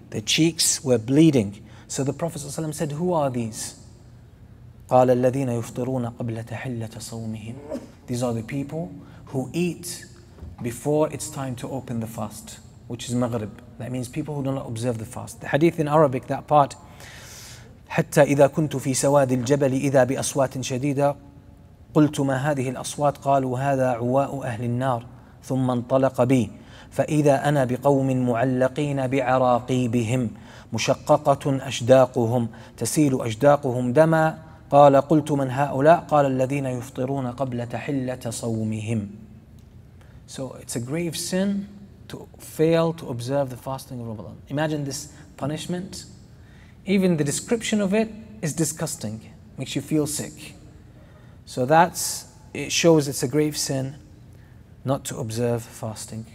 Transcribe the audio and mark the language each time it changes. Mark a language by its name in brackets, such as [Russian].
[English] Their cheeks were bleeding. So the Prophet ﷺ said, who are these? [Arabic] قَالَ الَّذِينَ يُفْطِرُونَ قَبْلَ تَحِلَّةَ صَوْمِهِمْ [English] These are the people who eat before it's time to open the fast, which is Maghrib. That means people who do not observe the fast. The hadith in Arabic, that part, [Arabic] حَتَّى إِذَا كُنْتُ فِي سَوَادِ الْجَبَلِ إِذَا بِأَصْوَاتٍ شَدِيدًا قُلْتُ مَا هَذِهِ الْأَصْوَاتِ قَالُوا هَذَا عُوَاءُ أَهْلِ النَّارِ ثُمَّ انطلق بي فَإِذَا أَنَا بِقَوْمٍ مُعَلَّقِينَ بِعَرَاقِيبِهِمْ مشققة أشداقهم تسيل أشداقهم دما قال قلت من هؤلاء قال الذين يفطرون قبل تحلة صومهم. [English] So it's a grave sin to fail to observe the fasting of Ramadan. Imagine this punishment. Even the description of it is disgusting, makes you feel sick. So that's, it shows it's a grave sin not to observe fasting.